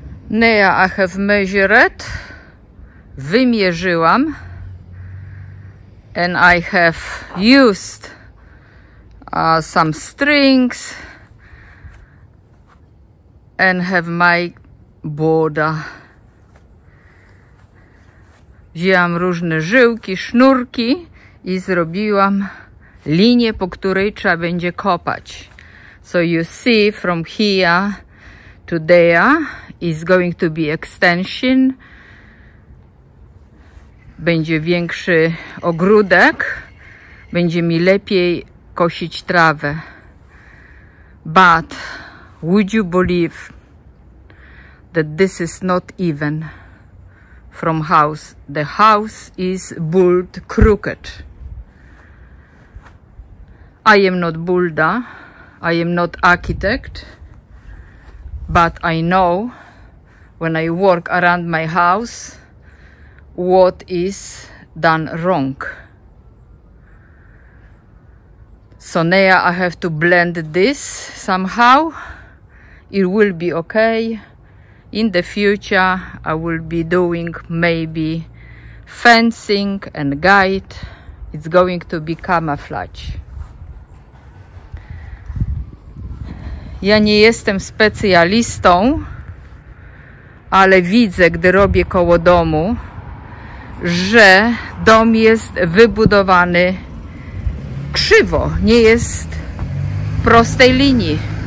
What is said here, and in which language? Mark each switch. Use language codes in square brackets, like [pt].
[en] Nea, I have measured, [pl] wymierzyłam, [en] and I have used some strings, and have my border. [pl] Wzięłam różne żyłki, sznurki i zrobiłam linię, po której trzeba będzie kopać. [en] So you see from here to there, is going to be extension. [pl] Będzie większy ogródek. Będzie mi lepiej kosić trawę. [en] But would you believe that this is not even from house? The house is built crooked. I am not builder. I am not architect. But I know when I work around my house, what is done wrong. So now I have to blend this somehow. It will be okay. In the future, I will be doing maybe fencing and guide. It's going to be camouflage. [pl] Ja nie jestem specjalistą, ale widzę, gdy robię koło domu, że dom jest wybudowany krzywo, nie jest w prostej linii.